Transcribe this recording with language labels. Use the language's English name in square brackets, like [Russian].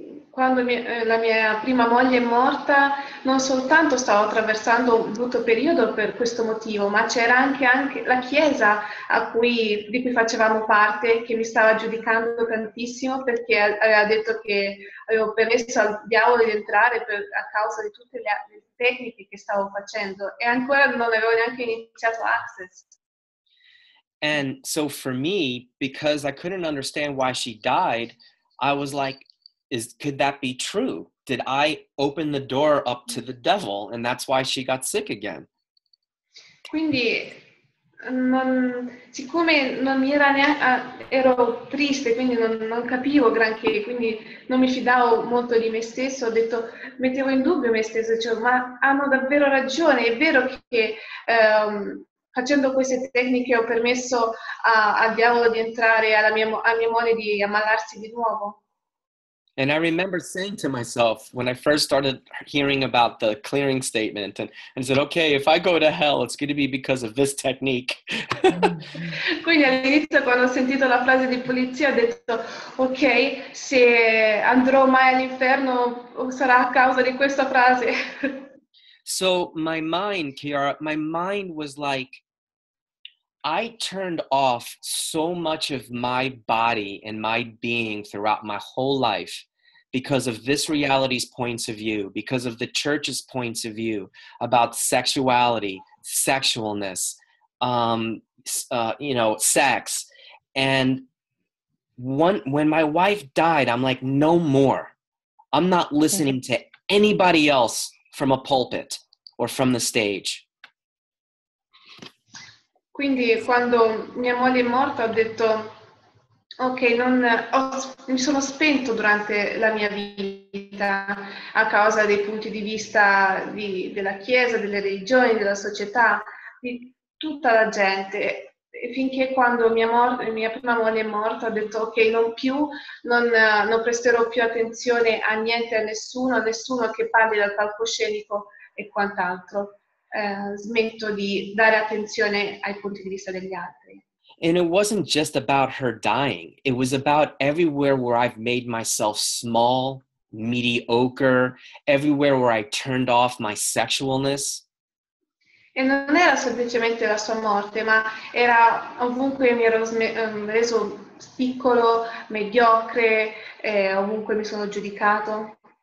[Italian] Quando la mia prima moglie è morta, non soltanto stavo attraversando un brutto periodo per questo motivo, ma c'era anche la chiesa di cui facevamo parte, che mi stava giudicando tantissimo perché aveva detto che avevo permesso al diavolo di entrare a causa di tutte le tecniche che stavo facendo, e ancora non avevo neanche iniziato Access. [English] And so for me, because I couldn't understand why she died, I was like, could that be true? Did I open the door up to the devil, and that's why she got sick again? [Italian] Quindi, siccome non mi era neanche, ero triste, quindi non capivo granché, quindi non mi fidavo molto di me stesso, ho detto, mettevo in dubbio me stesso, cioè, ma hanno davvero ragione, è vero che facendo queste tecniche ho permesso al diavolo di entrare, a mia moglie di ammalarsi di nuovo. [English] And I remember saying to myself when I first started hearing about the clearing statement and said, okay, if I go to hell, it's going to be because of this technique. [Italian] Quindi all'inizio quando ho sentito la frase di pulizia ho detto, okay, se andrò mai all'inferno sarà a causa di questa frase. [English] So my mind, Kiara, my mind was like, I turned off so much of my body and my being throughout my whole life because of this reality's points of view, because of the church's points of view about sexuality, sexualness, sex. And when my wife died, I'm like, no more. I'm not listening to anybody else from a pulpit or from the stage. [Italian] Quindi quando mia moglie è morta ho detto, ok, mi sono spento durante la mia vita a causa dei punti di vista della Chiesa, delle religioni, della società, di tutta la gente. E finché quando mia prima moglie è morta ho detto, ok, non presterò più attenzione a niente, a nessuno che parli dal palcoscenico e quant'altro. Smetto di dare attenzione ai punti di vista degli altri. [English] And it wasn't just about her dying. It was about everywhere where I've made myself small, mediocre, everywhere where I turned off my sexualness. [Italian] E non era semplicemente la sua morte, ma era ovunque mi ero reso piccolo, mediocre, ovunque mi sono giudicato.